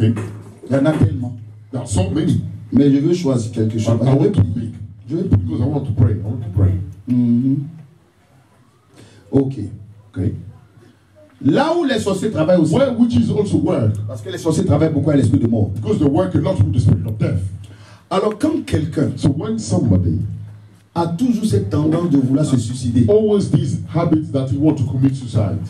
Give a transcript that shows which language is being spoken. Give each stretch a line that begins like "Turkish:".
French: Il y en a tellement.
English: There are so many.
French: Mais je veux choisir quelque chose.
English: I want to pray.
French: Je veux prier.
English: Because I want to pray. Mm-hmm. Ok. Ok.
French: Là où les sorciers travaillent aussi.
English: Where witches also work.
French: Parce que les sorciers travaillent beaucoup à l'esprit de mort.
English: Because they work a lot with the spirit of death.
French: Alors, quand quelqu'un.
English: So when somebody.
French: A toujours cette tendance de vouloir se suicider.
English: Always this habit that he want to commit suicide.